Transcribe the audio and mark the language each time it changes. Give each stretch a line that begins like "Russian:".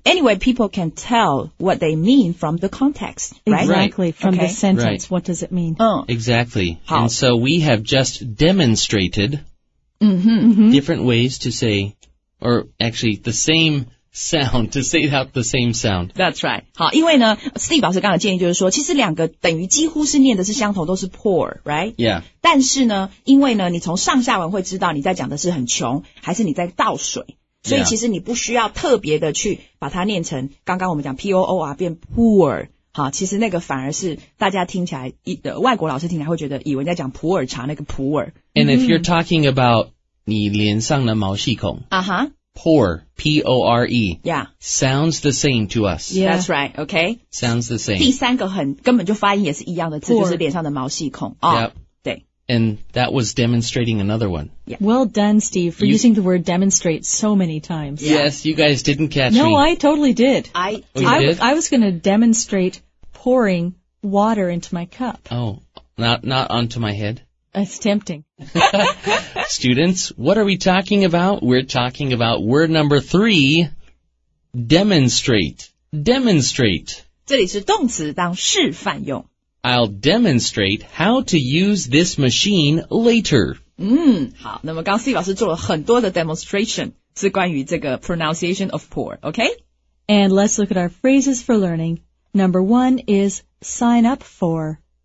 English: Anyway, people can tell what they mean from the context, right? Exactly. From the sentence, what does it mean? Exactly. And so we have just demonstrated different ways to say, or actually the same sound, to say out the same sound. That's right.
Chinese: 好，因为呢 ,Steve 老师刚才建议就是说其实两个等于几乎是念的是相同都是 poor,
English: right? Yeah.
Chinese: 但是呢因为呢你从上下文会知道你在讲的是很穷还是你在倒水。所以其实你不需要特别的去把它念成刚刚我们讲 P-O-O-R 变 poor 好其实那个反而是大家听起来外国老师听起来会觉得以为在讲普洱茶那个普洱
English: And if you're talking about
Chinese: 你脸上的毛细孔
English: Poor, P-O-R-E Yeah Sounds the same to us Yeah That's right, okay Sounds the same
Chinese: 第三个很根本就发音也是一样的字、
English: poor.
Chinese: 就是脸上的毛细孔、oh.
English: Yep And that was demonstrating another one. Yeah. Well done, Steve, for using the word demonstrate so many times. Yeah. Yes, you guys didn't catch no, me. No, I totally did. I was going to demonstrate pouring water into my cup. Oh, not onto my head? That's tempting. Students, what are we talking about? We're talking about word number three, demonstrate. Demonstrate.
Chinese: 这里是动词当示范用。
English: I'll demonstrate how to use this machine later.
Chinese: 好，那么刚 Steve 老师做了很多的 demonstration 是关于这个
English: pronunciation of poor, okay? And let's look at our phrases for learning. Number one is sign up for.